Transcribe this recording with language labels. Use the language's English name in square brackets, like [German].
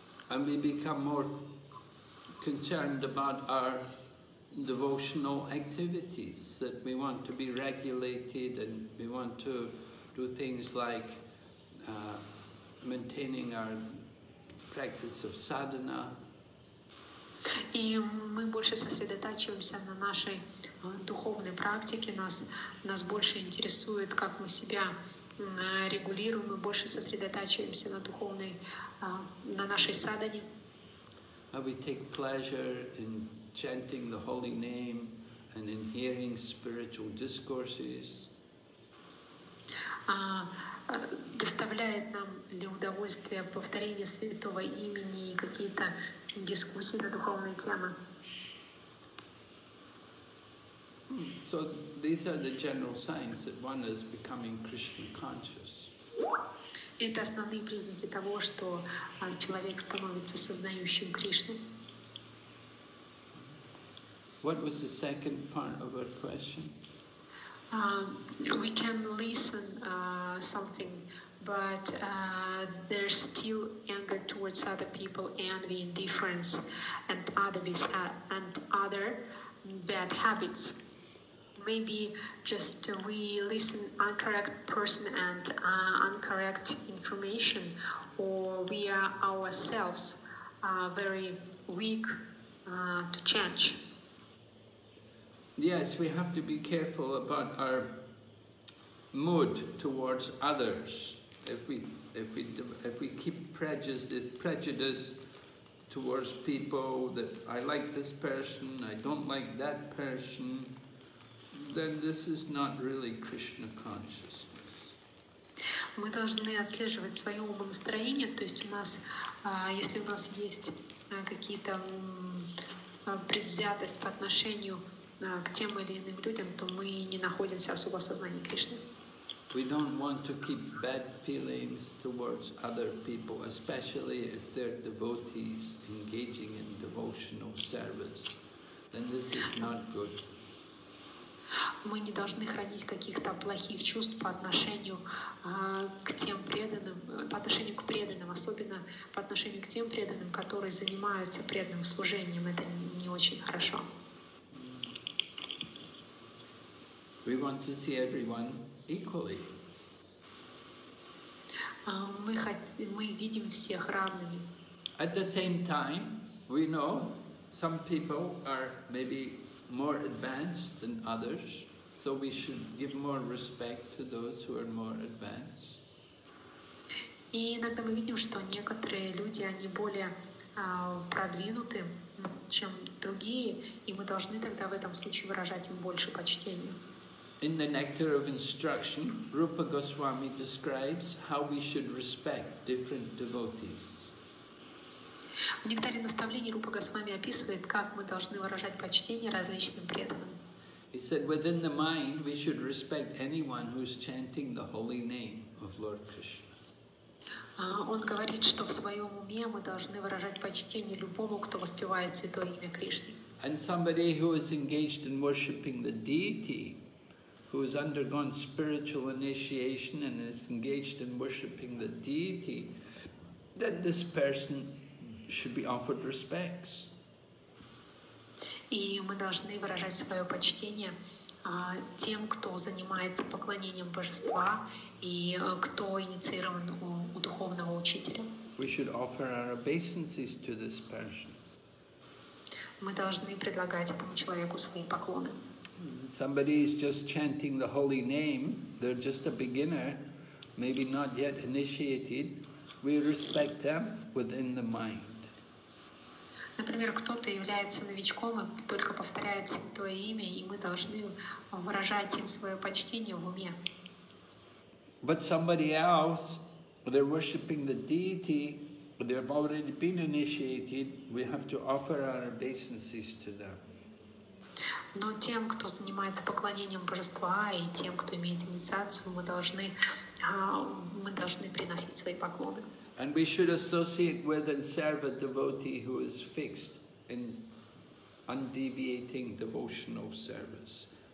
[English] And we become more concerned about our devotional activities, that we want to be regulated and we want to do things like maintaining our practice of sadhana. [Russian] И мы больше сосредотачиваемся на нашей духовной практике, нас больше интересует, как мы себя регулируем, мы больше сосредотачиваемся на духовной, на нашей садхане. [English] And we take pleasure in chanting the holy name and in hearing spiritual discourses. [Russian] Доставляет нам ли удовольствие повторение святого имени и какие-то дискуссии на духовные темы? [English] So these are the general signs that one is becoming Krishna conscious. [Russian] Это основные признаки того, что человек становится сознающим Кришну. [English] What was the second part of our question? We can listen something, but there's still anger towards other people, envy, indifference, and other bad habits. Maybe just we listen incorrect person and incorrect information, or we are ourselves very weak to change. Yes, we have to be careful about our mood towards others. If we keep prejudice towards people, that I like this person, I don't like that person, then this is not really Krishna consciousness. [Russian] Мы должны отслеживать свое умонастроение, то есть у нас, если у нас есть какие-то предвзятость по отношению к тем или иным людям, то мы не находимся особо в сознании Кришны. [English] We don't want to keep bad feelings towards other people, especially if they're devotees engaging in devotional service. Then this is not good. [Russian] Мы не должны хранить каких-то плохих чувств по отношению к тем преданным, по отношению к преданным, особенно по отношению к тем преданным, которые занимаются преданным служением. Это не очень хорошо. [English] We want to see everyone equally. [Russian] Мы видим всех равными. [English] At the same time, we know some people are maybe more advanced than others, so we should give more respect to those who are more advanced. [Russian] И иногда мы видим, что некоторые люди, они более продвинуты, чем другие, и мы должны тогда в этом случае выражать им больше почтения. [English] In the Nectar of Instruction, Rupa Goswami describes how we should respect different devotees. [Russian] В Нектаре наставлений Рупа Госвами описывает, как мы должны выражать почтение различным преданным. [English] He said, within the mind, we should respect anyone who is chanting the holy name of Lord Krishna. [Russian] Он говорит, что в своем уме мы должны выражать почтение любому, кто воспевает святое имя Кришны. [English] And somebody who is engaged in worshipping the deity, who has undergone spiritual initiation and is engaged in worshipping the deity, then this person should be offered respects. [Russian] И мы должны выражать свое почтение тем, кто занимается поклонением божества и кто инициирован у духовного учителя. [English] We should offer our obeisances to this person. [Russian] Мы должны предлагать этому человеку свои поклоны. [English] Somebody is just chanting the holy name, they're just a beginner, maybe not yet initiated, we respect them within the mind. [Russian] Например, кто-то является новичком и только повторяет святое имя, и мы должны выражать им свое почтение в уме. [English] But somebody else, they're worshiping the deity, they've already been initiated, we have to offer our obeisances to them. [Russian] Но тем, кто занимается поклонением божества, и тем, кто имеет инициацию, мы должны приносить свои поклоны. [English] And we should associate with and serve a devotee who is fixed in undeviating devotional service.